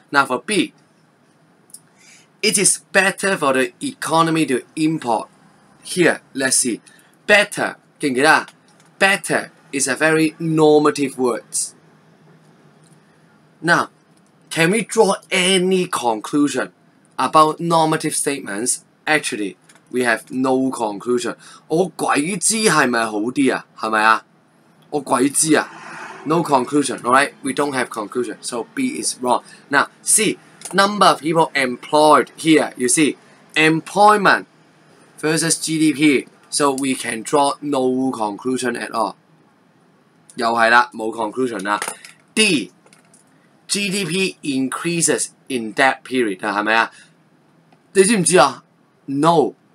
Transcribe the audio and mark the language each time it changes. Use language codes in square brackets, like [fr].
[en] Now for B, it is better for the economy to import. Here, let's see. Better, [zh] 記得嗎? [en] Better is a very normative word. Now, can we draw any conclusion about normative statements? Actually, we have no conclusion. [zh] 我鬼知是不是好一點啊? 是不是啊?我鬼知啊? [en] No conclusion, alright? We don't have conclusion, so B is wrong. Now, C, number of people employed here, you see, employment versus GDP, so we can draw no conclusion at all. [zh] 又是啦, 沒 conclusion啦. [en] D, GDP increases in that period, [zh] 是不是啊?你知不知啊?No.